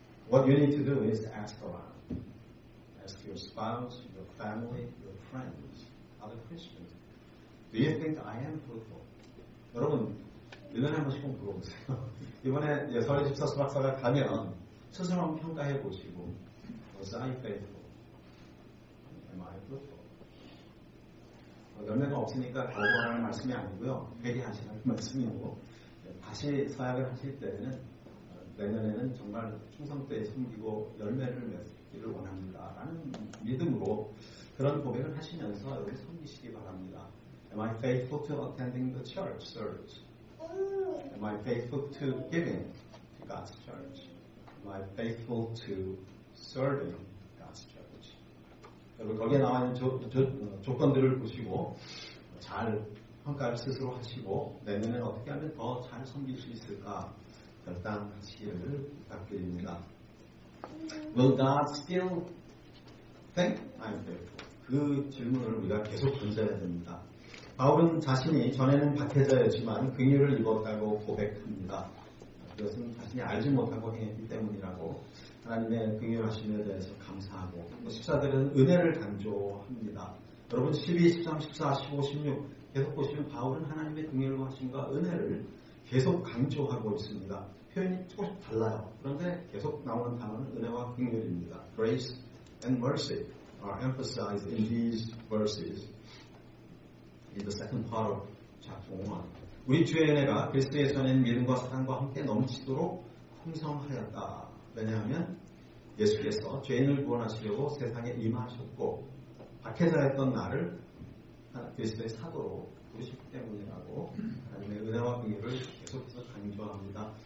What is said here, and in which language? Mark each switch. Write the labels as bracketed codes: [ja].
[en] What you need to do is to ask around. Ask your spouse, your family, your friends, other Christians. Do you think I am fruitful? [ko] 여러분, 1년에 한 번씩 물어보세요. 이번에 예설의 집사 수박사가 가면 스스로 한번 평가해 보시고 [en] Was I faithful? Am I fruitful? [ko] 열매가 없으니까 거부하라는 말씀이 아니고요. 회개하시라는 말씀이고 다시 사역을 하실 때는 내년에는 정말 충성되게 섬기고 열매를 맺기를 원합니다. 라는 믿음으로 그런 고백을 하시면서 여기 섬기시기 바랍니다. [en] Am I faithful to attending the church service? Am I faithful to giving to God's church? Am I faithful to serving God's church? [ko] 여러분 거기에 나와 있는 조건들을 보시고 잘 평가를 스스로 하시고 내년에 어떻게 하면 더 잘 섬길 수 있을까 결단하시기를 부탁드립니다. [en] Will God still think I'm faithful? [ko] 그 질문을 우리가 계속 던져야 됩니다. 바울은 자신이 전에는 박해자였지만 긍휼을 입었다고 고백합니다. 그것은 자신이 알지 못하고 행했기 때문이라고 하나님의 긍휼하심에 대해서 감사하고 14절은 은혜를 강조합니다. 여러분 12, 13, 14, 15, 16 계속 보시면 바울은 하나님의 긍휼과 하심과 은혜를 계속 강조하고 있습니다. 표현이 조금씩 달라요. 그런데 계속 나오는 단어는 은혜와 긍휼입니다. [en] Grace and mercy are emphasized in these verses. In the second part of chapter 1. [ko] 우리 주의 은혜가 그리스도의 전에는 믿음과 사랑과 함께 넘치도록 풍성하였다. 왜냐하면 예수께서 죄인을 구원하시려고 세상에 임하셨고 박해자였던 나를 그리스도의 사도로 부르셨기 때문이라고 하나님의 은혜와 긍휼을 계속해서 강조합니다.